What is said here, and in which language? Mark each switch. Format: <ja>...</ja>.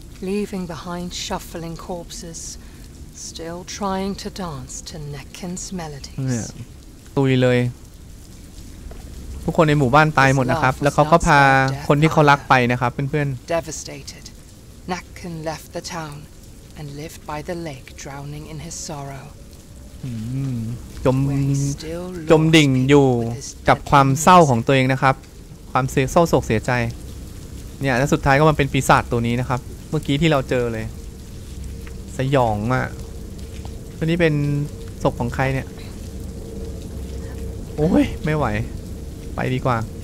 <en>leaving behind shuffling corpses still trying to dance to Necken's melodies</en> <th>ตุยเลยทุกคนในหมู่บ้านตายหมดนะครับแล้วเขาก็พาคนที่เขารักไปนะครับเพื่อนๆ</th> <en>devastated Necken left the townand lived by the lake drowning in his sorrow</en> <th>จมดิ่งอยู่กับความเศร้าของตัวเองนะครับความเศร้าโศกเสียใจเนี่ยแล้วสุดท้ายก็มันเป็นปีศาจตัวนี้นะครับเมื่อกี้ที่เราเจอเลยสยองอ่ะตัวนี้เป็นศพของใครเนี่ยโอ้ยไม่ไหวไปดีกว่า</th>